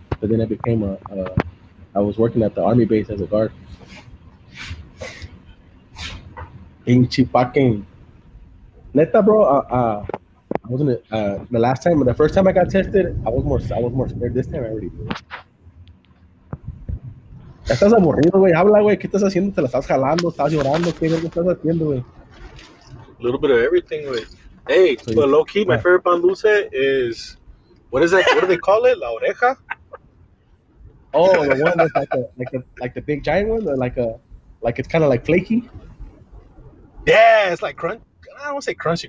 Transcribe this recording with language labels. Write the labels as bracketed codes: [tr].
[en] But then I became I was working at the army base as a guard. Pinche fucking. Neta, bro, I wasn't the last time, the first time I got tested, I was more scared. This time I already did. [es] Estás aburrido, güey. Habla, güey. ¿Qué estás haciendo? ¿Te la estás jalando? ¿Estás llorando? ¿Qué estás haciendo, güey? [en] A little bit of everything, güey. Hey, so, but low key, my favorite pan dulce is, what is that? What do they call it? La oreja. Oh, the one that's like the big giant one, or like it's kind of like flaky. Yeah, it's like crunch. I don't want to say crunchy.